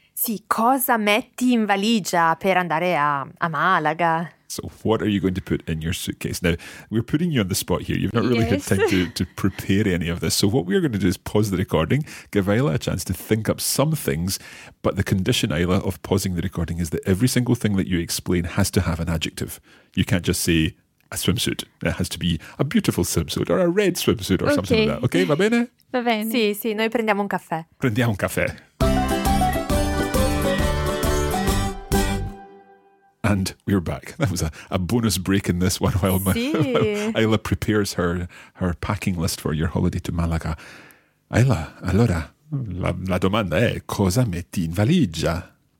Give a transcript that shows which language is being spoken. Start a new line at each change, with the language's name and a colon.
Italian: Sì, cosa metti in valigia per andare a Malaga?
English: So what are you going to put in your suitcase? Now, we're putting you on the spot here. You've not really had time to prepare any of this. So what we're going to do is pause the recording, give Ayla a chance to think up some things. But the condition, Ayla, of pausing the recording is that every single thing that you explain has to have an adjective. You can't just say... A swimsuit. It has to be a beautiful swimsuit or a red swimsuit or something like that. Okay,
Italian: va bene? Va bene. Sì, sì, noi prendiamo un caffè. Prendiamo un caffè.
English: And we're back. That was a bonus break in this one while Ayla prepares her packing list for your holiday to Malaga.
Italian: Ayla, allora, la domanda è, cosa metti in valigia?